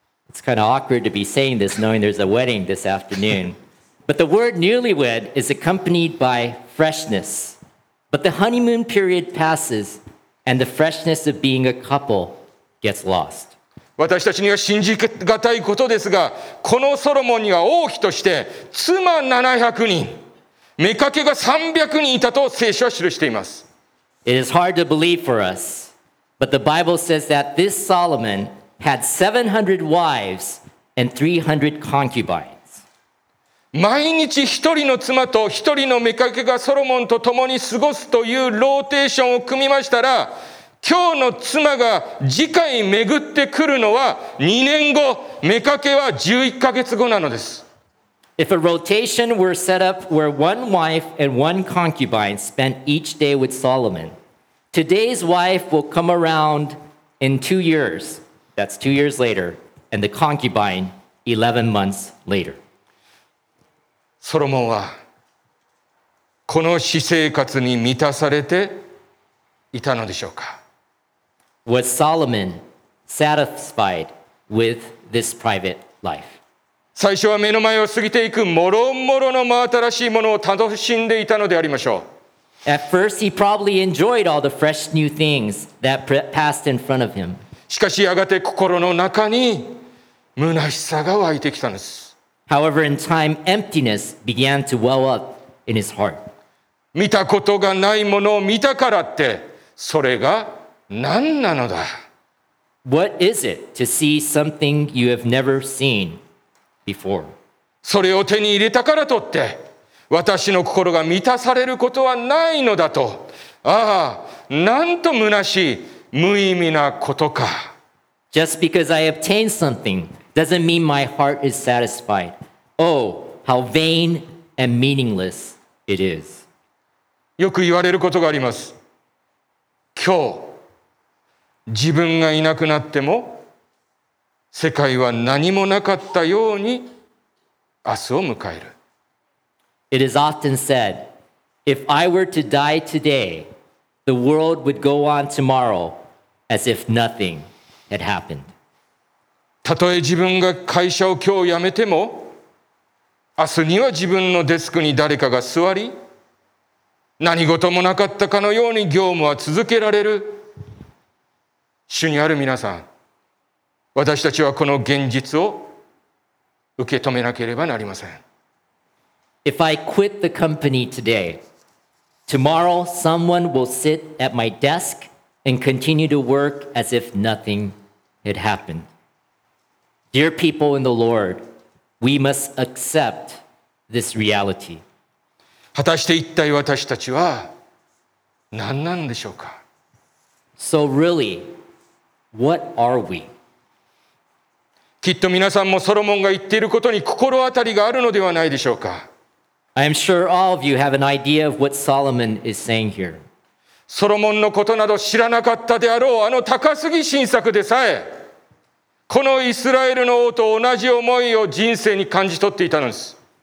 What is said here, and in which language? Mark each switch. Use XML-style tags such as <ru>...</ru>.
<en>It's kind of awkward to be saying this knowing there's a wedding this afternoon. But the word newlywed is accompanied by freshness. But the honeymoon period passes and the freshness of being a couple gets lost.</en> <ja>私たちには信じがたいことですが、このソロモンには王妃として妻700人。目かけが300人いたと聖書は記しています。</ja> <en>It is hard to believe for us, but the Bible says that this Solomon had 700 wives and 300 concubines.</en> <ja>毎日一人の妻と一人の目かけがソロモンと共に過ごすというローテーションを組みましたら、今日の妻が次回巡ってくるのは2年後、妾は11ヶ月後なのです。</ja> <en>If a rotation were set up where one wife and one concubine spent each day with Solomon, today's wife will come around in 2 years. That's 2 years later. And the concubine, 11 months later.</en> <ja>ソロモンはこの私生活に満たされていたのでしょうか?</ja> <en>Was Solomon satisfied with this private life?</en> <ja>最初は目の前を過ぎていくもろもろの真新しいものを楽しんでいたのでありましょう。</ja> <en>At first, he probably enjoyed all the fresh new things that passed in front of him.</en> <ja>しかしやがて心の中に虚しさが湧いてきたんです。</ja> <en>However, in time, emptiness began to well up in his heart.</en> <ja>見たことがないものを見たからって、それが何なのだ。</ja> <en>What is it to see something you have never seen? Before.</en> <ja>それを手に入れたからとって私の心が満たされることはないのだと。ああ、なんと虚しい、無意味なことか。</ja> <en>Just because I obtained something doesn't mean my heart is satisfied. Oh, how vain and meaningless it is.</en> <ja>よく言われることがあります。今日、自分がいなくなっても世界は何もなかったように明日を迎える。</ja> <en>It is often said, if I were to die today, the world would go on tomorrow as if nothing had happened.</en> <ja>たとえ自分が会社を今日辞めても、明日には自分のデスクに誰かが座り、何事もなかったかのように業務は続けられる。主にある皆さん、私たちはこの現実を受け止めなければなりません。</ja> <en>If I quit the company today, tomorrow someone will sit at my desk and continue to work as if nothing had happened. Dear people in the Lord, we must accept this reality.</en> <ja>果たして一体私たちは何なんでしょうか?</ja> <en>So really, what are we?</en> <ja>きっと皆さんもソロモンが言っていることに心当たりがあるのではないでしょうか。</ja> <en>I am sure all of you have an idea of what Solomon is saying here.</en> <ja>ソロモンのことなど知らなかったであろう、あの高すぎ新作でさえ、このイスラエルの王と同じ思いを人生に感じ取っていたのです。</ja>